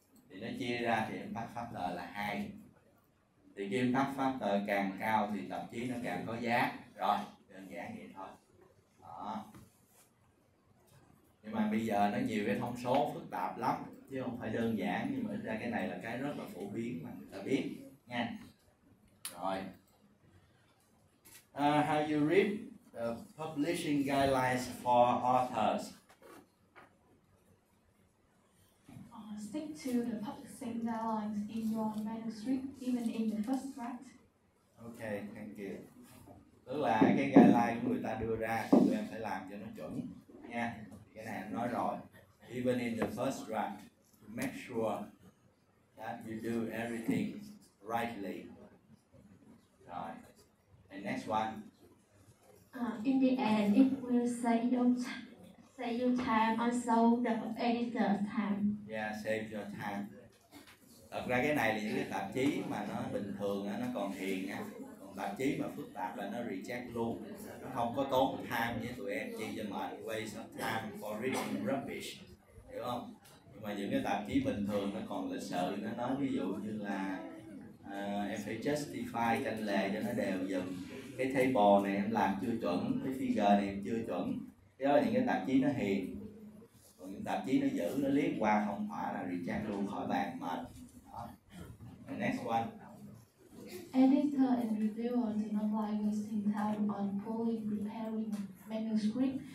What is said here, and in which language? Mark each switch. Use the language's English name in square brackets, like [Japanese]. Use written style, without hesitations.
[Vietnamese] Thì nó chia ra thì impact factor là 2. Thì cái impact factor càng cao thì tạp chí nó càng có giá. Rồi, đơn giản vậy thôi. Đó. Nhưng mà bây giờ nó nhiều cái thông số phức tạp lắm, chứ không phải đơn giản. Nhưng mà ít ra cái này là cái rất là phổ biến mà người ta biết nha. Rồi. [English] How you read the publishing guidelines for authors? Stick to the publishing guidelines in your manuscript, even in the first draft. Okay, thank you. [Vietnamese] Tức là cái guideline của người ta đưa ra thì tụi em phải làm cho nó chuẩn nha. Cái này em nói rồi. [English] Even in the first draft, to make sure that you do everything rightly. [Vietnamese] Rồi. [English] And next one. In the end, it will save your time and save the editor's time. Yeah, save your time. [Vietnamese] Thật ra cái này là những cái tạp chí mà nó bình thường nó còn hiền nha. Còn tạp chí mà phức tạp là nó reject luôn. Nó không có tốn time với tụi em, chỉ cho mệt, [English] waste of time for reading rubbish. [Vietnamese] Hiểu không? Nhưng mà những cái tạp chí bình thường nó còn lịch sự, nó nói ví dụ như là em phải justify tranh lệ cho nó đều dần. Cái table này em làm chưa chuẩn, cái figure này em chưa chuẩn. Cái đó là những cái tạp chí nó hiền. Còn những tạp chí nó dữ, nó liếc qua không hỏa là reject luôn, khỏi bàn, mệt. Đó. [English] Next one. Editor and reviewer do not like wasting time on pulling, preparing manuscript.